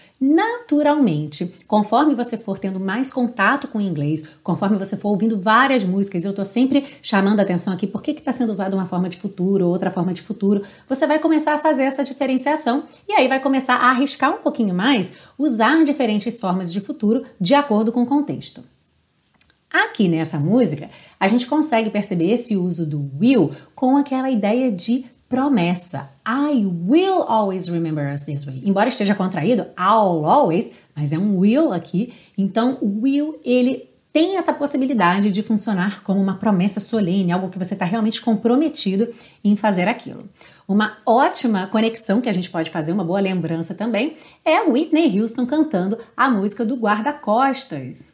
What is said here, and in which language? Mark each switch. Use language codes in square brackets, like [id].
[pt] Naturalmente, conforme você for tendo mais contato com o inglês, conforme você for ouvindo várias músicas, eu estou sempre chamando a atenção aqui, por que está sendo usada uma forma de futuro, outra forma de futuro, você vai começar a fazer essa diferenciação e aí vai começar a arriscar um pouquinho mais, usar diferentes formas de futuro de acordo com o contexto. Aqui nessa música, a gente consegue perceber esse uso do will com aquela ideia de promessa. [en] I will always remember us this way. [pt] Embora esteja contraído, I'll always, mas é um will aqui. Então, o will, ele tem essa possibilidade de funcionar como uma promessa solene, algo que você está realmente comprometido em fazer aquilo. Uma ótima conexão que a gente pode fazer, uma boa lembrança também, é a Whitney Houston cantando a música do guarda-costas.